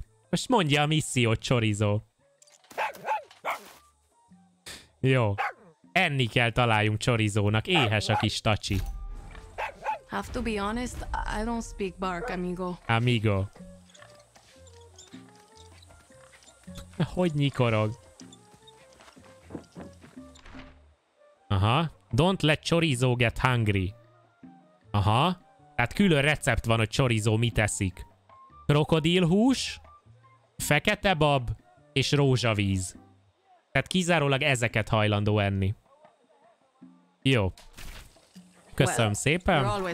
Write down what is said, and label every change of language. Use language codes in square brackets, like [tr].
[hu] Most mondja a missziót, csorizó. Jó. Enni kell találjunk Chorizónak, éhes a kis tacsi. [en] Have to be honest, I don't speak bark, amigo. [es] Amigo. [hu] Hogy nyikorog? Aha. [en] Don't let Chorizo get hungry. Aha. [hu] Tehát külön recept van, hogy Chorizo mit eszik. Krokodilhús, fekete bab és rózsavíz. Tehát kizárólag ezeket hajlandó enni. Jó. Köszönöm szépen.